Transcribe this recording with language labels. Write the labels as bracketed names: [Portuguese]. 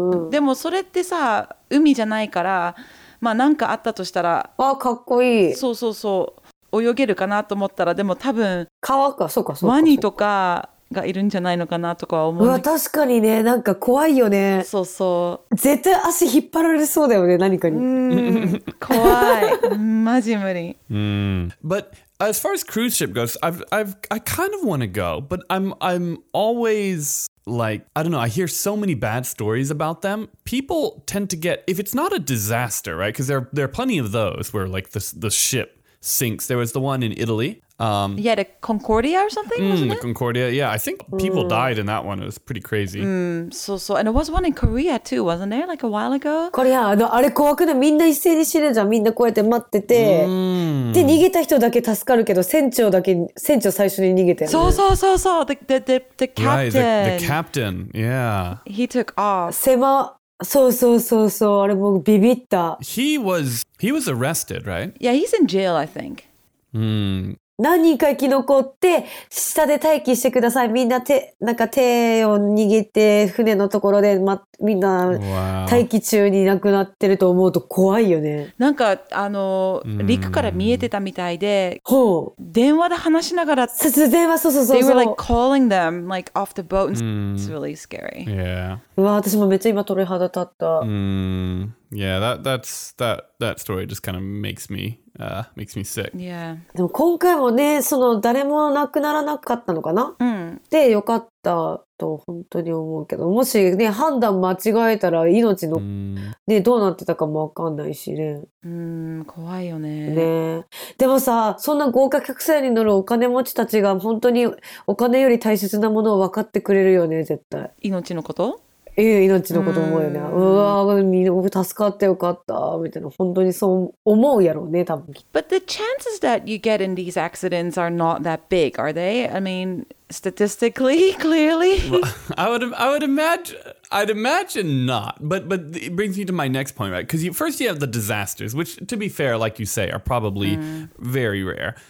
[Japanese] でもそれってさ、海じゃないから、まあなんかあったとしたら、あ、かっこいい。そうそうそう、泳げるかなと思ったら、でも多分、川か、そうか、そうか。ワニとか、がいるんじゃないのかなとかは思う。うわ、確かにね、なんか怖いよね。そうそう、絶対足引っ張られそうだよね、何かに。うん、怖い、マジ無理。 [English] うん、 But as far as cruise ship goes, I kind of want to go, but I'm alwaysLike, I don't know, I hear so many bad stories about them. People tend to get, if it's not a disaster, right? Because there are plenty of those where, like, the ship sinks. There was the one in Italy. Yeah, the Concordia or something, wasn't it? The Concordia, yeah. I think people died in that one. It was pretty crazy. So. And there was one in Korea, too, wasn't there? Like, a while ago? [Japanese] Korea, あれ怖くない? みんな一斉に死ぬじゃん。みんなこうやって待ってて。で、逃げた人だけ助かるけど、船長最初に逃げてる。そうそうそうそう。 [English] The captain. Right, the captain, yeah. He took off. [Japanese] そうそうそうそう。あれ、僕ビビった。 [English] He was arrested, right? Yeah, he's in jail, I think. Hmm. [Japanese] 何人か生き残って下で待機してください、みんな手なんか手を握って船のところで、ま、みんな待機中に亡くなってると思うと怖いよね。なんかあの陸から見えてたみたいで、ほう、電話で話しながら、電話、そうそうそう、 [English] they were like calling them like off the boat and it's really scary. Yeah. [Japanese] うわ、私もめっちゃ今鳥肌立った。 [English] Yeah, that story just kind of makes me sick. Yeah. [Japanese] でも今回もね、その誰も亡くならなかったのかな。で、よかったと本当に思うけど、もしね、判断間違えたら命の、ね、どうなってたかもわかんないしね。怖いよね。ね。でもさ、そんな豪華客船に乗るお金持ちたちが本当にお金より大切なものを分かってくれるよね、絶対。命のこと？命のこと思うよね。うわぁ、みんな助かってよかった、みたいな。本当にそう思うやろうね、多分。 [English] But the chances that you get in these accidents are not that big, are they? I mean, statistically, clearly? Well, I'd imagine not. But it brings me to my next point, right? Because first you have the disasters, which, to be fair, like you say, are probably very rare.